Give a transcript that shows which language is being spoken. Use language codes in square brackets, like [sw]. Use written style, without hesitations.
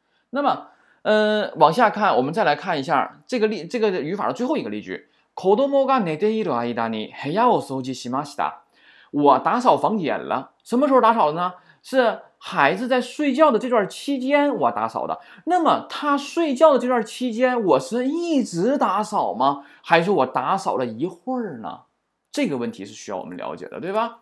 [zh] 那么，往下看，我们再来看一下这个语法的最后一个例句。 [ja] 子供が寝ている間に部屋を掃除しました。 [zh] 我打扫房间了，什么时候打扫的呢？是孩子在睡觉的这段期间我打扫的。那么他睡觉的这段期间我是一直打扫吗？还是我打扫了一会儿呢？这个问题是需要我们了解的，对吧？